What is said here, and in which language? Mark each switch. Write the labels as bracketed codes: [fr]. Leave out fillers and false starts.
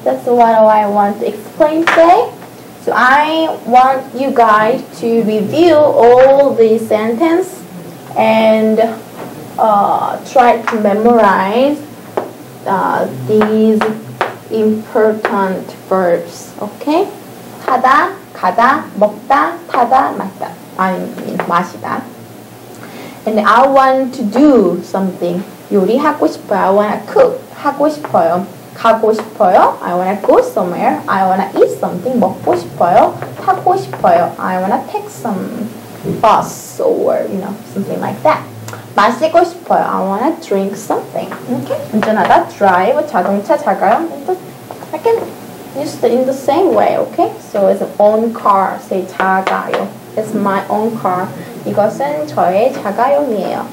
[en] That's what I want to explain today. So, I want you guys to review all these sentences and try to memorize these important verbs. Okay? [ko] 하다, 가다, 먹다, 타다, 마시다. [en] I mean, 마시다. And I want to do something. [ko] 요리하고 싶어요. [en] I want to cook. [ko] 하고 싶어요. 가고 싶어요. [en] I want to go somewhere. I want to eat something. [ko] 먹고 싶어요. 타고 싶어요. [en] I want to take some bus or, you know, something like that. [ko] 마시고 싶어요. [en] I want to drink something. Okay? 운전하다, drive, 자동차, 자가요. I can use it in the same way, okay? So it's own car. Say 자가요. It's my own car. [ko] 이것은 저의 자가용이에요.